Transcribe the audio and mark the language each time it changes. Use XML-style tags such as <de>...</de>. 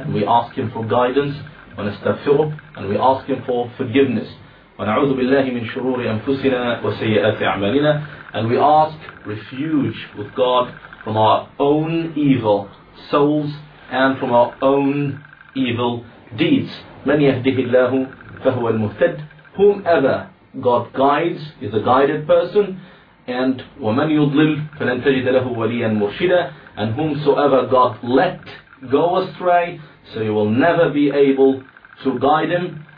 <en>And we ask Him for guidance.</en> <ar>ونستغفره.</ar> <en>And we ask Him for forgiveness.</en> <ar>ونعوذ بالله من شرور أنفسنا وسيئات أعمالنا.</ar> <en>And we ask refuge with God from our own evil souls and from our own evil deeds.</en> <ar>من يهده الله فهو المهتد.</ar> <en>Whomever God guides is a guided person, and</en> <ar>وَمَنْ يُضْلِلْ فَلَنْ تَجِدَ لَهُ وَلِيًّا مُرْشِدًا,</ar> <en>and whomsoever God let go astray, so you will never be able to guide him.</en>